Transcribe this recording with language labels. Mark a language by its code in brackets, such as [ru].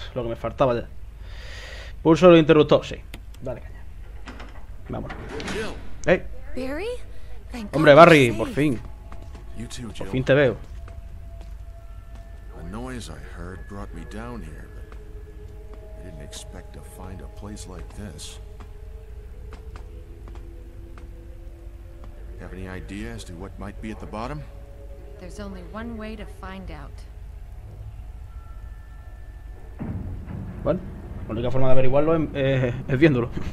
[es] Lo que me faltaba ya. Pulso del interruptor, sí. Dale, caña. Vámonos. ¡Eh! Barry? ¡Hombre, Barry! ¡Por fin! Too, ¡por fin te veo! La noche que escuché me trajo aquí, pero no esperaba encontrar un lugar como este. [en] Have any idea as to what might be at the bottom? There's only one way to find out. [es] Bueno, la única forma de averiguarlo es viéndolo.